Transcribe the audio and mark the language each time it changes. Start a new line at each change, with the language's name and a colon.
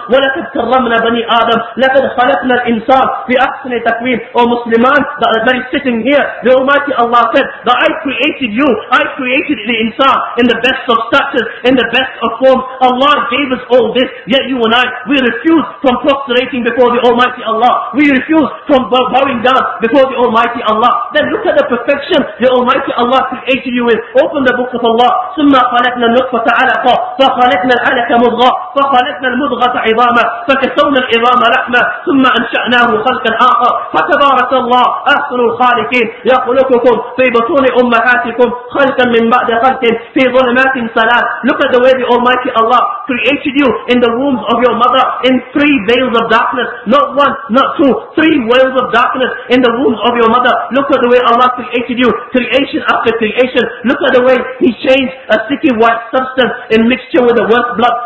Arabic: وَلَكَدْ كَرَّمْنَا بَنِي آدَمْ لَكَدْ خَلَقْنَا الْإِنسَانِ فِي أَحْسَنِ تَكْوِيمِ.
English: O Musliman, that is sitting here, the Almighty Allah said that I created you, I created the insan in the best of stature, in the best of form. Allah gave us all this, yet you and I, we refuse from prostrating before the Almighty Allah. We refuse from bowing down before the Almighty Allah. Then look at the perfection the Almighty Allah created you with. Open the book of Allah.
Arabic: ثم خلقنا النطفة علقة فخلقنا العلقة مضغة فخلقنا المضغة عظاما فكسونا العظام لحما ثم أنشأناه خلقا آخر فتبارك الله أحسن الخالقين. يخلقكم في بطون أمهاتكم خلقا من بعد خلق في ظلمات ثلاث.
English: Look at the way the Almighty Allah created you in the wombs of your mother in three veils of darkness. Not one, not two, three veils of darkness in the wombs of your mother. Look at the way Allah created you, creation after creation. Look at the way He changed a sticky white substance in mixture with the worst blood.